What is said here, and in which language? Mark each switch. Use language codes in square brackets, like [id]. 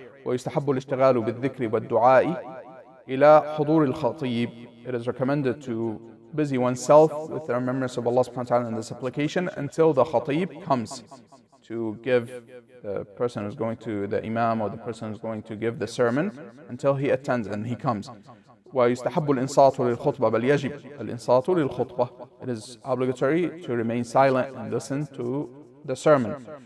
[ar] ويستحب الاشتغال بالذكر والدعاء إلى حضور الخطيب. [en] It is recommended to busy oneself with the remembrance of Allah subhanahu wa ta'ala and the supplication until the khatib comes to give the person who's going to the imam or the person who's going to give the sermon until he attends and he comes. [ar] ويستحب الإنصات للخطبة بل يجب الإنصات للخطبة. [en] It is obligatory to remain silent and listen to the sermon.